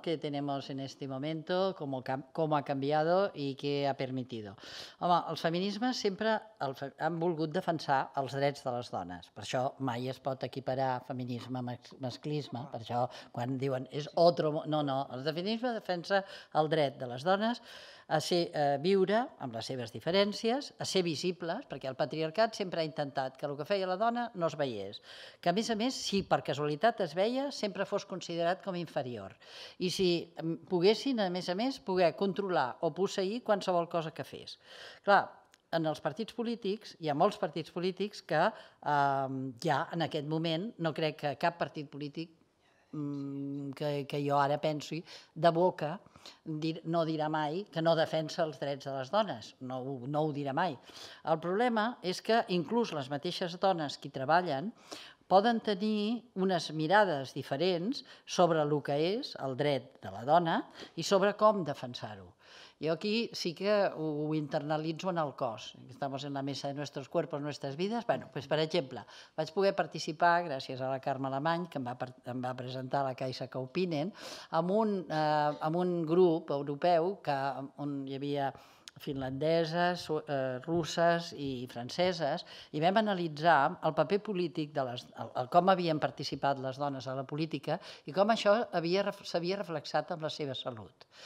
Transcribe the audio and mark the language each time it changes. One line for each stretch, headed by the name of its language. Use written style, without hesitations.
Spanish: Que tenemos en este momento, cómo ha cambiado y qué ha permitido.
Catalan: Home, els feminismes sempre han volgut defensar els drets de les dones. Per això mai es pot equiparar feminisme amb masclisme. Per això, quan diuen és otro... No, el feminisme defensa el dret de les dones a ser, a viure amb les seves diferències, a ser visibles, perquè el patriarcat sempre ha intentat que el que feia la dona no es veiés, que a més, si per casualitat es veia, sempre fos considerat com inferior, i si poguessin, a més, poder controlar o posseir qualsevol cosa que fes. Clar, en els partits polítics, hi ha molts partits polítics que ja en aquest moment no crec que cap partit polític que jo ara penso de boca no dirà mai que no defensa els drets de les dones, no ho dirà mai. El problema és que inclús les mateixes dones que hi treballen poden tenir unes mirades diferents sobre el que és el dret de la dona i sobre com defensar-ho. Jo aquí sí que ho internalitzo en el cos.
Spanish: Estamos en la mesa de nuestros cuerpos, nuestras vidas.
Catalan: Bueno, pues, per exemple, vaig poder participar, gràcies a la Carme Alemany, que em va presentar la Caixa Kauppinen, amb un grup europeu on hi havia finlandeses, russes i franceses, i vam analitzar el paper polític de com havien participat les dones a la política i com això s'havia reflexat en la seva salut.